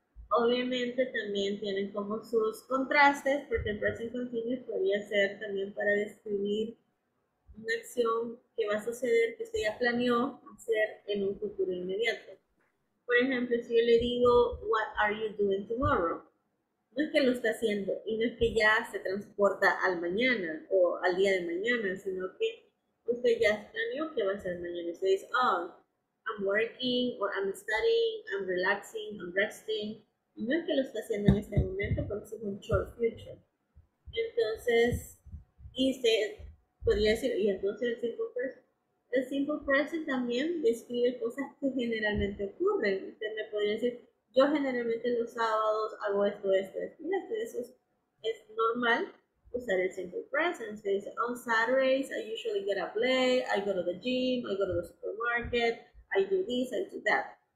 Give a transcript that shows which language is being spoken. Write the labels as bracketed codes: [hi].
[es] Obviamente también tienen como sus contrastes, porque el present continuo podría ser también para describir una acción que va a suceder, que usted ya planeó hacer en un futuro inmediato. Por ejemplo, si yo le digo, [en] what are you doing tomorrow? [es] No es que lo está haciendo y no es que ya se transporta al mañana o al día de mañana, sino que usted ya planeó qué va a hacer mañana. Usted dice, [en] oh, I'm working, or I'm studying, I'm relaxing, I'm resting. [es] Y no es que lo está haciendo en este momento, pero es un [en] short future. [es] Entonces, y usted podría decir, y entonces el simple present. El simple present también describe cosas que generalmente ocurren. Usted me podría decir, yo generalmente los sábados hago esto, esto, esto. Mira, eso es normal usar el simple present. Se dice, [en] on Saturdays, I usually get up late, I go to the gym, I go to the supermarket, I do this, I do that.